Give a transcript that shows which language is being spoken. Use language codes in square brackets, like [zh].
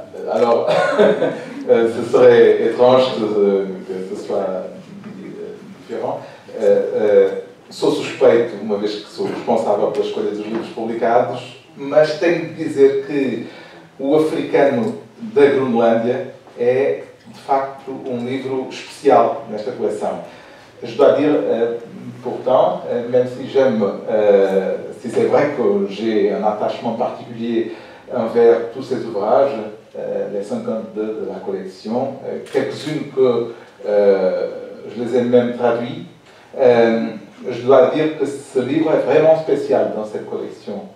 [fr] Alors, ce serait étrange que ce soit différent. [pt] Sou suspeito, uma vez que sou responsável pela escolha dos livros publicados, mas tenho de dizer que O Africano da Groenlândia é, de facto, um livro especial nesta coleção. [fr] Je dois dire, pourtant, même si j'aime, si c'est vrai que j'ai un attachement particulier envers tous ces ouvrages, les 52 de la collection, quelques-unes que je les ai même traduits, je dois dire que ce livre est vraiment spécial dans cette collection.